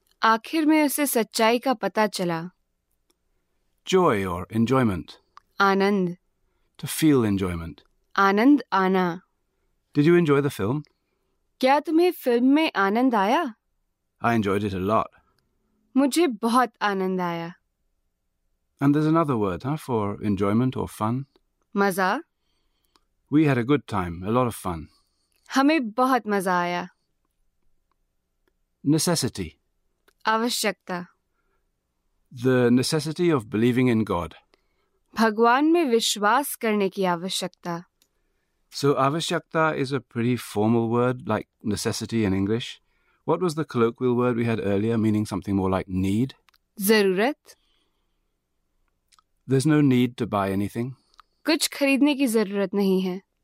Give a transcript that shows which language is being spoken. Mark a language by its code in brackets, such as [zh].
[hi] आखिर में उसे सच्चाई का पता चला। [en] joy और enjoyment, [hi] Anand, [en] to feel enjoyment, [hi] आनंद आना। [en] Did you enjoy the film? [hi] क्या तुम्हें फिल्म में आनंद आया? [en] I enjoyed it a lot. [hi] मुझे बहुत आनंद आया। [en] And there's another word, huh, for enjoyment or fun? [hi] मजा। [en] We had a good time, a lot of fun. [hi] हमें बहुत मजा आया। [en] Necessity. [hi] आवश्यकता। [en] The necessity of believing in God. [hi] भगवान में विश्वास करने की आवश्यकता। [en] So avashyakta is a pretty formal word, like necessity in English. What was the colloquial word we had earlier, meaning something more like need? [hi] जरूरत। [en] There's no need to buy anything. [hi] कुछ खरीदने की जरूरत नहीं है।